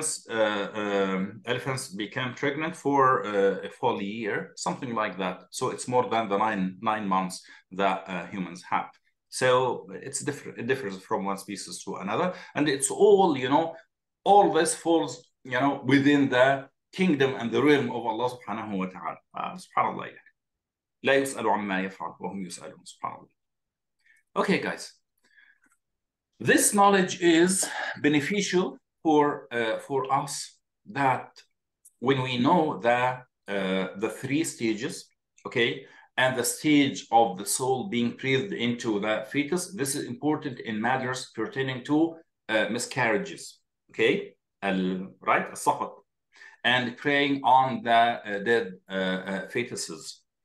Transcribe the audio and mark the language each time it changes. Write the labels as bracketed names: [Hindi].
[English] Elephants became pregnant for a full year, something like that. So it's more than the nine months that humans have. So it's different. It differs from one species to another, and it's all, you know, all this falls, you know, within the kingdom and the realm of Allah Subhanahu wa Taala. Subhanallah. [Arabic] لا يسأل عما يفعل وهم يسألون سبحانه. [English] Okay, guys. This knowledge is beneficial for us, that when we know that the three stages, okay, and the stage of the soul being breathed into the fetus, this is important in matters pertaining to miscarriages, okay, right, as-sakat, and praying on the dead fetuses.